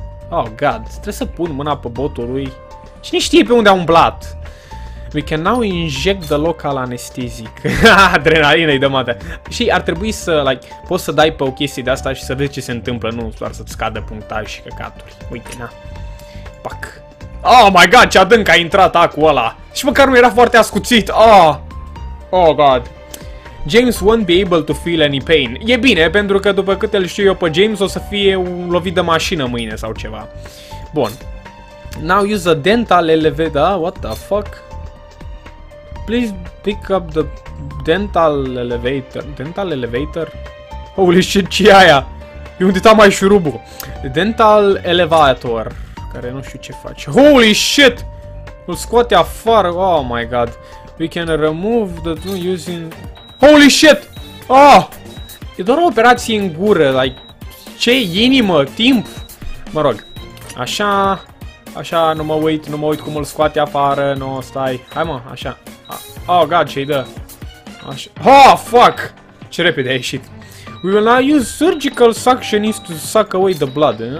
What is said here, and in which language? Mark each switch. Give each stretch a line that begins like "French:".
English: Oh, God,
Romanian: trebuie să pun mâna pe botul lui. Cine știe pe unde a umblat?
English: We can now inject the local anesthetic.
Romanian: Adrenalina-i dă mată. Și ar trebui să, like, poți să dai pe o chestie de asta și să vezi ce se întâmplă, nu doar să-ți scadă punctaj și căcaturi. Uite, na. Pac.
English: Oh, my God,
Romanian: ce adânc a intrat acul ăla. Și măcar nu era foarte ascuțit.
English: Oh, God. James won't be able to feel any pain.
Romanian: E bine, pentru că după cât îl știu eu pe James, o să fie un lovit de mașină mâine sau ceva. Bun.
English: Now use a dental elevator. What the fuck? Please pick up the dental elevator.
Romanian: Dental elevator?
English: Holy shit,
Romanian: ce-i aia? E unde ta mai șurubul. Dental elevator. Care nu știu ce face.
English: Holy shit!
Romanian: Îl scoate afară.
English: Oh my God. We can remove the... using... Holy shit! Oh!
Romanian: E doar o operație în gură, like, ce inimă, timp! Mă rog, așa, așa, nu mă uit, nu mă uit cum îl scoate afară, nu, stai, hai mă, așa.
English: Oh, God,
Romanian: ce-i dă? Așa,
English: oh, fuck!
Romanian: Ce repede a ieșit.
English: We will now use surgical suction to suck away the blood.